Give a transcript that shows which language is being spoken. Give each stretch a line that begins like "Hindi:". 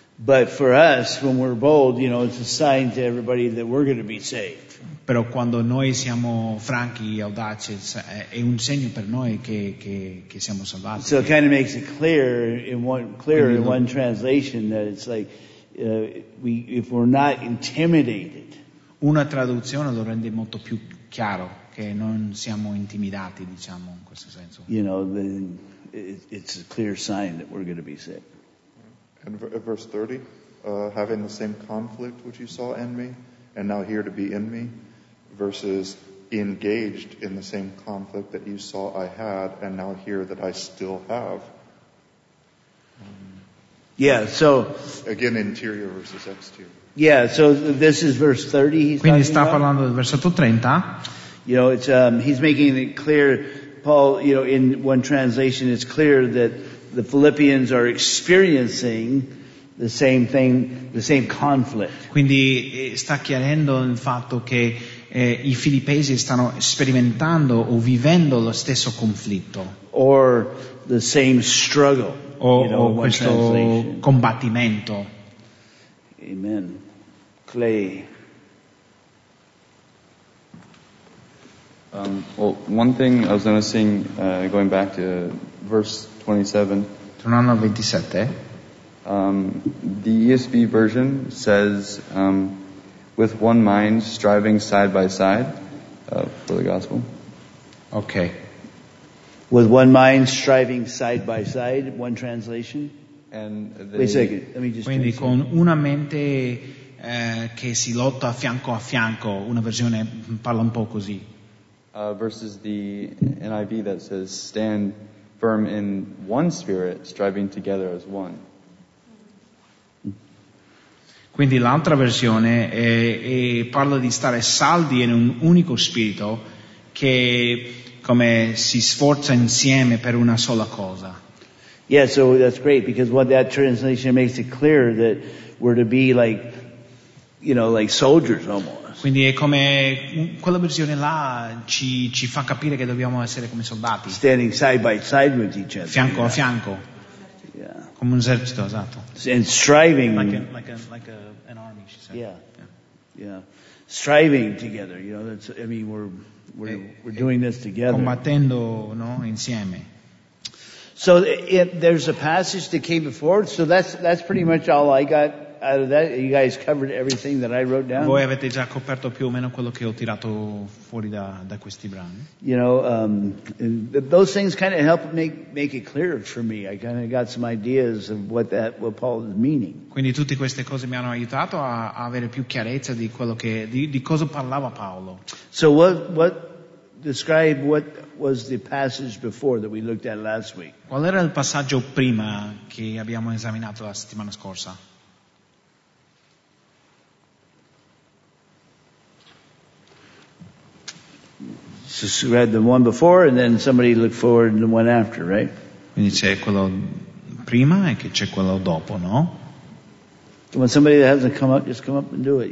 English: But for us, when we're bold, you know, it's a sign to everybody that we're going to be saved.
Italian: Però quando noi siamo franchi, audaci, è un segno per noi che siamo salvati.
English: So it kind of makes it clear in one translation that it's like if we're not intimidated.
Italian: Una traduzione lo rende molto più chiaro che non siamo intimidati, diciamo, in questo senso.
English: You know, then it's a clear sign that we're going to be saved. And verse 30, having the same conflict which you saw in me, and now here to be in me, versus engaged in the same conflict that you saw I had, and now here that I still have. Yeah, so... Again, interior versus exterior. Yeah, so this is verse 30 he's
Italian: Quindi
English: talking
Italian: sta
English: about.
Italian: Parlando del versetto 30.
English: You know, it's he's making it clear, Paul, you know, in one translation, it's clear that the Philippians are experiencing the same thing, the same conflict.
Italian: Quindi sta chiarendo il fatto che i filippesi stanno sperimentando o vivendo lo stesso conflitto.
English: Or the same struggle.
Italian: O questo combattimento.
English: Amen. Clay. Well, one thing I was noticing, going back to verse 27.
Italian: Tornando al 27.
English: The ESV version says, with one mind striving side by side for the gospel. Okay. With one mind striving side by side, one translation. And wait a second, let me just
Italian: quindi con una mente che si lotta fianco a fianco, una versione parla un po' così.
English: Versus the NIV that says stand firm in one spirit, striving together as one.
Italian: Quindi l'altra versione è parla di stare saldi in un unico spirito che come si sforza insieme per una sola cosa.
English: Yeah, so that's great because what that translation makes it clear that we're to be like, you know, like soldiers almost.
Italian: Quindi è come quella versione là ci fa capire che dobbiamo essere come soldati.
English: Standing side by side with each other.
Italian: Fianco a fianco.
English: Yeah.
Italian: Come un esercito, esatto.
English: And striving. Like an army, she said. Yeah. Striving together. You know, that's, I mean, we're doing this together.
Italian: Combattendo, no, insieme.
English: So there's a passage that came before. So that's pretty much all I got. Out of that, you guys covered everything that I wrote down.
Italian: Voi avete già coperto più o meno quello che ho tirato fuori da questi brani.
English: You know, those things kind of help make it clear for me. I kind of got some ideas of what Paul is meaning.
Italian: Quindi tutte queste cose mi hanno aiutato a avere più chiarezza di quello che di cosa parlava Paolo.
English: So what describe what was the passage before that we looked at last week?
Italian: Qual era il passaggio prima che abbiamo esaminato la settimana scorsa?
English: So read the one before and then somebody look forward and the one after, right?
Italian: Quindi c'è quello prima e che c'è quello dopo, no?
English: Come on, somebody that hasn't come up, just come up and do it.